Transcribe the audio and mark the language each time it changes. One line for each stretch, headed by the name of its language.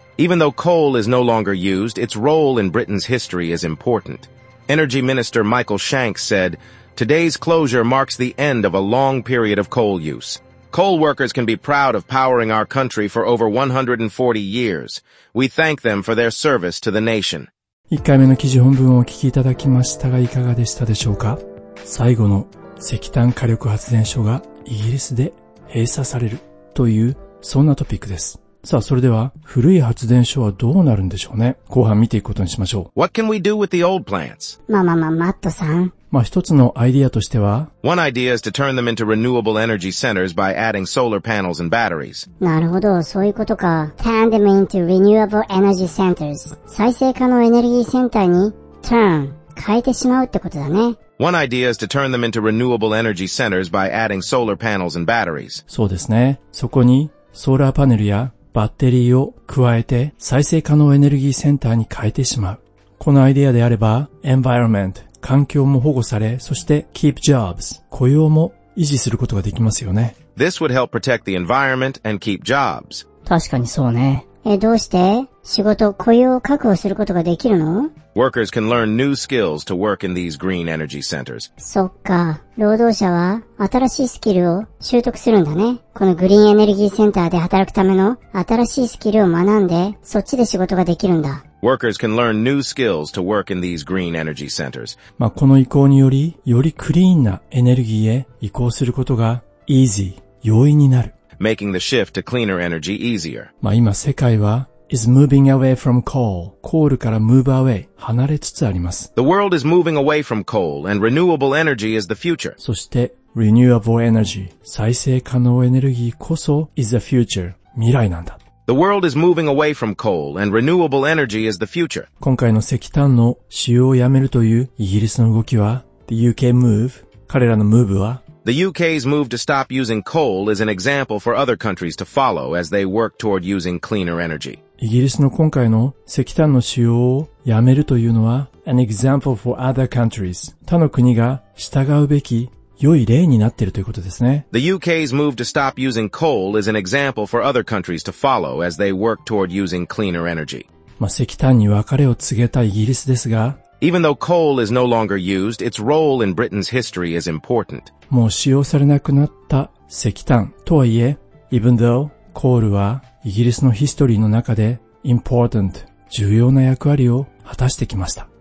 English: Even though coal is no longer used, its role in Britain's history is important. Energy Minister Michael Shanks said, "Today's closure marks the end of a long period of coal use. Coal workers can be proud of powering our country for over 140 years. We thank them for their service to the nation."
Japanese: 1回目の記事本文をお聞きいただきましたが、いかがでしたでしょうか？最後の石炭火力発電所がイギリスで閉鎖されるというそんなトピックです。さあ、それでは古い発電所はどうなるんでしょうね。後半見ていくことにしましょう。
English: What can we do with the old plants?
Japanese: マットさん。まあ、一つのアイディアとしては。
English: One idea is to turn them into renewable energy centers by adding solar panels and batteries.
Japanese: なるほど、そういうことか。
English: Turn them into renewable energy centers.
Japanese: 再生可能エネルギーセンターに turn 変えてしまうってことだね。
English: One idea is to turn them into renewable energy centers by adding solar panels and batteries.
Japanese: そうですね。そこにソーラーパネルやバッテリーを加えて再生可能エネルギーセンターに変えてしまう。このアイデアであれば、environment、環境も保護され、そして keep jobs、雇用も維持することができますよね。
English: This would help protect the environment and keep jobs.
Japanese: 確かにそうね。どうして仕事、雇用を確保することができるの？
English: Workers can learn new skills to work in these green energy centers.
Japanese: そっか。労働者は新しいスキルを習得するんだね。このグリーンエネルギーセンターで働くための新しいスキルを学んで、そっちで仕事ができるんだ。
English: Workers can learn new skills to work in these green energy centers.
Japanese: まあ、この移行により、よりクリーンなエネルギーへ移行することが easy、容易になる。
English: Making the shift to cleaner energy easier.
Japanese: まあ、今世界は is moving away from coal. コールから move away 離れつつあります。
English: The world is moving away from coal and renewable energy is the future.
Japanese: そして renewable energy 再生可能エネルギーこそ is the future 未来なんだ。
English: The world is moving away from coal and renewable energy is the future.
Japanese: 今回の石炭の使用をやめるというイギリスの動きは the UK move 彼らのムーブは。
English: The UK's move to stop using coal is an example for other countries to follow as they work toward using cleaner energy.
Japanese: イギリスの今回の石炭の使用をやめるというのは an example for other countries. 他の国が従うべき良い例になっているということですね。
English: The UK's move to stop using coal is an example for other countries to follow as they work toward using cleaner energy.
Japanese: まあ、石炭に別れを告げたイギリスですが、
English: Even though coal is no longer used, its role in Britain's history is important.
Japanese: もう使用されなくなった石炭とはいえ、 even though coal はイギリスのヒストリーの中で important 重要な役割を果たしてきました。